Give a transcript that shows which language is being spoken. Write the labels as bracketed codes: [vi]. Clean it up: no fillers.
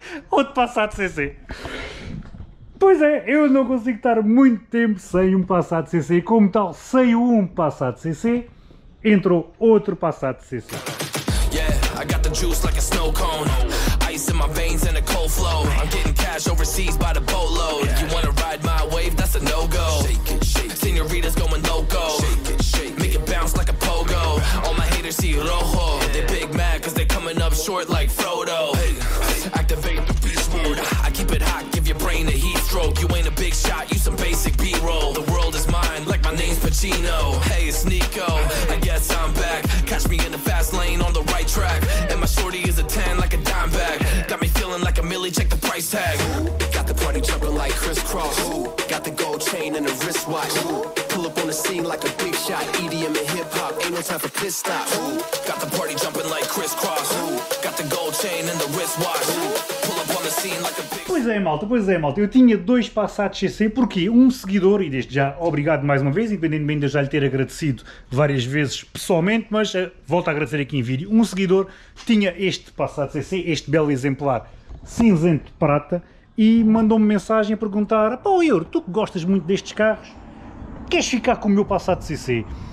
[pt] Outro Passat CC. Pois é, eu não consigo estar muito tempo sem um Passat CC. Como tal, saiu um Passat CC, entrou outro Passat CC. [en] Yeah, I got the juice like a snow cone. Ice in my veins and a cold flow. I'm getting cash overseas by the boatload. You wanna ride my wave, that's a no-go. Senoritas going loco. Make it bounce like a pogo. All my haters see rojo. They big mad cause they coming up short like Frodo. Activate the beast mode. I keep it hot, give your brain a heat stroke. You ain't a big shot, you some basic B-roll. The world is mine, like my name's Pacino. Hey, it's Nico, I guess I'm back. Catch me in the fast lane on the right track. And my shorty is a 10 like a dime bag. Got me feeling like a millie, check the price tag. Got the party jumping like crisscross. Got the gold chain and a wristwatch. Pull up on the scene like a big shot. EDM and hip hop, ain't no time for piss stop. Got the party jumping like crisscross. Got the gold chain and the wristwatch. [pt] Pois é, malta, eu tinha dois Passat CC, porque um seguidor, e desde já obrigado mais uma vez, independentemente de eu já lhe ter agradecido várias vezes pessoalmente, mas volto a agradecer aqui em vídeo, um seguidor tinha este Passat CC, este belo exemplar cinzento de prata, e mandou-me mensagem a perguntar, pá, Euro, tu que gostas muito destes carros, queres ficar com o meu Passat CC?